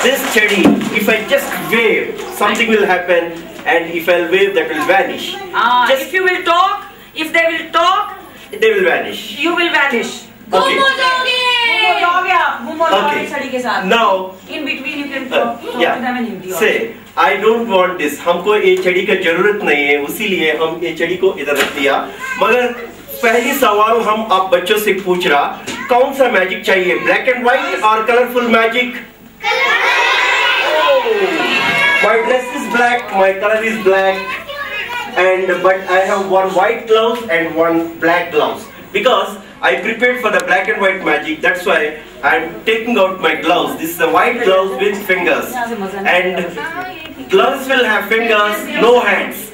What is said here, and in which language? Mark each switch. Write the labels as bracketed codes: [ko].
[en] This chadi, if I just wave, something will happen, and if I wave, that will vanish. If you will talk, if they will talk, they will vanish. You will vanish. Okay. Okay. Now, in between, you can talk to them in Hindi. Say, I don't want this. [hi] हमको ये चड़ी का जरूरत नहीं है, उसीलिए हम ये चड़ी को इधर रख दिया. मगर पहली सवाल हम आप बच्चों से पूछ रहा, कौन सा मैजिक चाहिए, ब्लैक एंड व्हाइट और colourful magic? [en] My dress is black, my color is black, and but I have one white gloves and one black gloves because I prepared for the black and white magic. That's why I'm taking out my gloves. This is a white gloves with fingers, and gloves will have fingers, no hands.